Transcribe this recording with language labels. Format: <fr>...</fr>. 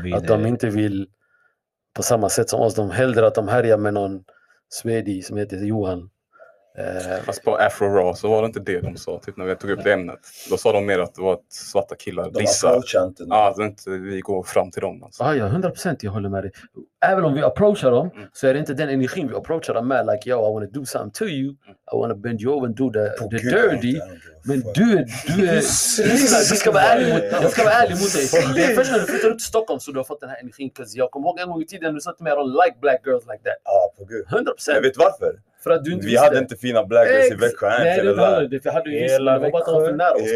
<sv>Att de inte vill på samma sätt som oss, de hellre att de härjar med någon svedi som heter Johan. Fast på Afro Raw så var det inte det de sa typ när vi tog upp det ämnet. Då sa de mer att det var ett svarta killar, vissa. Vi går fram till dem. Alltså. 100%, jag håller med dig. Även om vi approachar dem så är det inte den energin vi approachar dem med.</sv> <en>Like, yo, I want to do something to you. I want to bend you over and do the dirty.</en> <sv>Men du ska vara ärlig mot dig. Det är först när du flyttar ut till Stockholm så du har fått den här energin. Jag kommer ihåg en gång i tiden när du satt med,</sv> <en>I don't like black girls like that.</en> <sv>Ja, på Gud. 100%. Jag vet varför. För att du inte vi visste. Hade inte fina black girls i Växjö. Nej, det hade du inte.</sv>